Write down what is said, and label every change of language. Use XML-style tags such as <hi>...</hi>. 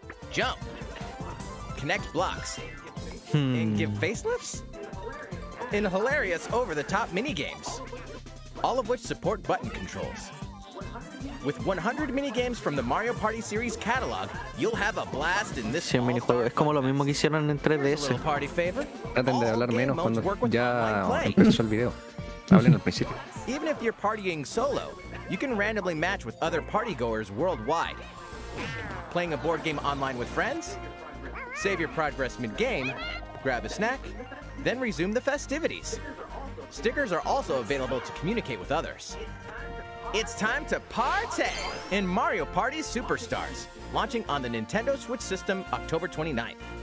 <en>Jump. Connect blocks. And give facelifts? In hilarious over-the-top minigames. All of which support button controls. With 100 minigames from the Mario Party series catalog, you'll have a blast in this</en> <es>sí, minijuego. Es como lo mismo que hicieron en 3DS. Traten de hablar menos cuando ya empezó el video. Hablen al principio.</es> <en>Even if you're partying solo, you can randomly match with other partygoers worldwide. Playing a board game online with friends? Save your progress mid-game, grab a snack, then resume the festivities. Stickers are also available to communicate with others. It's time to party in Mario Party Superstars, launching on the Nintendo Switch system October 29th.</en>